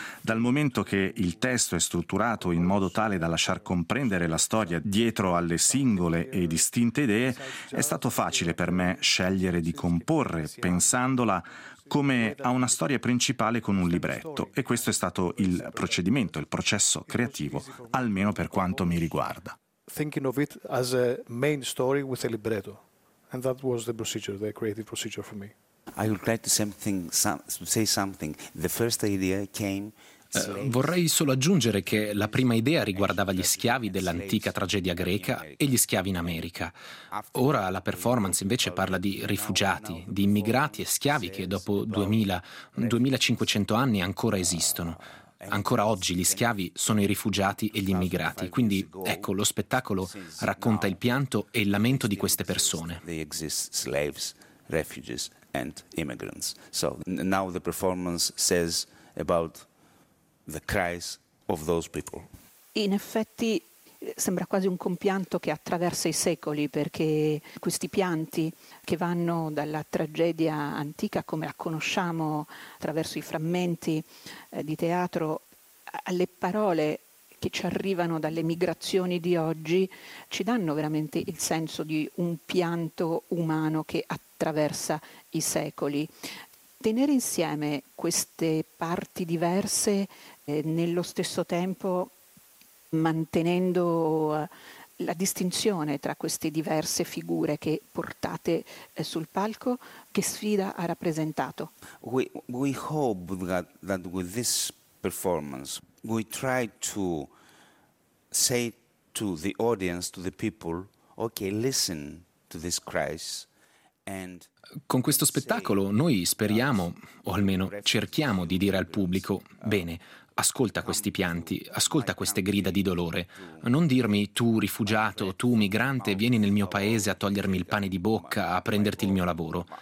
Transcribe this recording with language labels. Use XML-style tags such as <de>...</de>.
<it>Dal momento che il testo è strutturato in modo tale da lasciar comprendere la storia dietro alle singole e distinte idee, è stato facile per me scegliere di comporre pensandola come a una storia principale con un libretto, e questo è stato il procedimento, il processo creativo, almeno per quanto mi riguarda.</it> <en>Thinking of it as a main story with a libretto, and that was the procedure, the creative procedure for me. I would like to say something. The first idea came.</en> <it>Vorrei solo aggiungere che la prima idea riguardava gli schiavi dell'antica tragedia greca e gli schiavi in America. Ora la performance invece parla di rifugiati, di immigrati e schiavi che dopo 2500 anni ancora esistono. Ancora oggi gli schiavi sono i rifugiati e gli immigrati. Quindi, ecco, lo spettacolo racconta il pianto e il lamento di queste persone.</it> <en>Slaves, refugees and immigrants. So now the performance says about the cries of those people.</en> <it>In effetti sembra quasi un compianto che attraversa i secoli, perché questi pianti che vanno dalla tragedia antica come la conosciamo attraverso i frammenti di teatro alle parole che ci arrivano dalle migrazioni di oggi ci danno veramente il senso di un pianto umano che attraversa i secoli. Tenere insieme queste parti diverse nello stesso tempo mantenendo la distinzione tra queste diverse figure che portate sul palco, che sfida ha rappresentato?</it> <en>We hope that with this performance we try to say to the audience, to the people, okay, listen to this crisis.</en> <it>Con questo spettacolo noi speriamo, o almeno cerchiamo di dire al pubblico: bene, ascolta questi pianti, ascolta queste grida di dolore. Non dirmi, tu rifugiato, tu migrante, vieni nel mio paese a togliermi il pane di bocca, a prenderti il mio lavoro.</it>